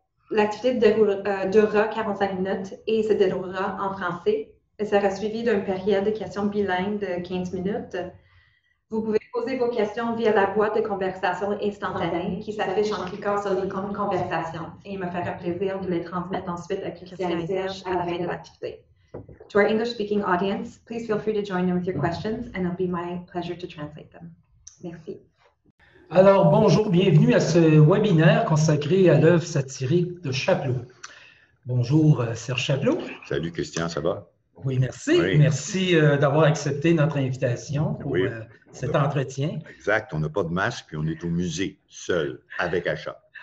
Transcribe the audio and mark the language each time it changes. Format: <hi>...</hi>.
<fr>L'activité durera 45 minutes et se déroulera en français. Elle sera suivie d'une période de questions bilingues de 15 minutes. Vous pouvez poser vos questions via la boîte de conversation instantanée qui s'affiche en cliquant sur l'icône conversation et il me fera plaisir de les transmettre ensuite à Christian et Serge à la fin de l'activité.</fr> <en>To our English-speaking audience, please feel free to join in with your questions and it'll be my pleasure to translate them.</en> <fr>Merci. Alors, bonjour, bienvenue à ce webinaire consacré à l'œuvre satirique de Chapleau. Bonjour, Serge Chapleau. Salut, Christian, ça va? Oui, merci. Oui. Merci d'avoir accepté notre invitation pour cet entretien. Exact, on n'a pas de masque et on est au musée, seul, avec Achat.</fr>